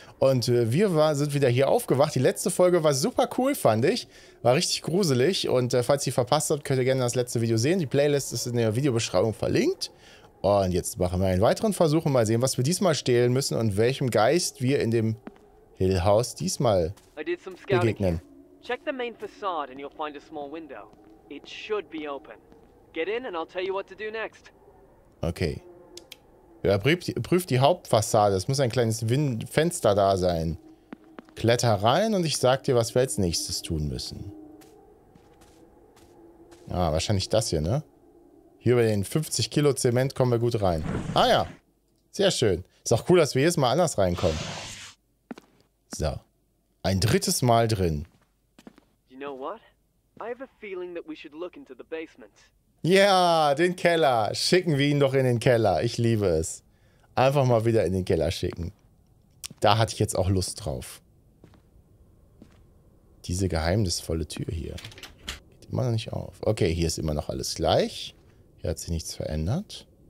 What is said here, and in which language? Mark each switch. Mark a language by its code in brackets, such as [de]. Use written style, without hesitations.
[de] Und wir sind wieder hier aufgewacht. Die letzte Folge war super cool, fand ich. War richtig gruselig. Und falls ihr verpasst habt, könnt ihr gerne das letzte Video sehen. Die Playlist ist in der Videobeschreibung verlinkt. Und jetzt machen wir einen weiteren Versuch und mal sehen, was wir diesmal stehlen müssen und welchem Geist wir in dem Hill House diesmal begegnen. [en] Check the main facade and you'll find a small window. It should be open. Get in and I'll tell you what to do next. Okay. [de] Ja, prüf die Hauptfassade. Es muss ein kleines Fenster da sein. Kletter rein und ich sag dir, was wir als nächstes tun müssen. Ah, wahrscheinlich das hier, ne? Hier über den 50 Kilo Zement kommen wir gut rein. Ah ja. Sehr schön. Ist auch cool, dass wir jedes Mal anders reinkommen. So. Ein drittes Mal drin. [en] You know what? I have a feeling that we should look into the basement. [de] Ja, yeah, den Keller. Schicken wir ihn doch in den Keller. Ich liebe es. Einfach mal wieder in den Keller schicken. Da hatte ich jetzt auch Lust drauf. Diese geheimnisvolle Tür hier. Geht immer noch nicht auf. Okay, hier ist immer noch alles gleich. Hier hat sich nichts verändert.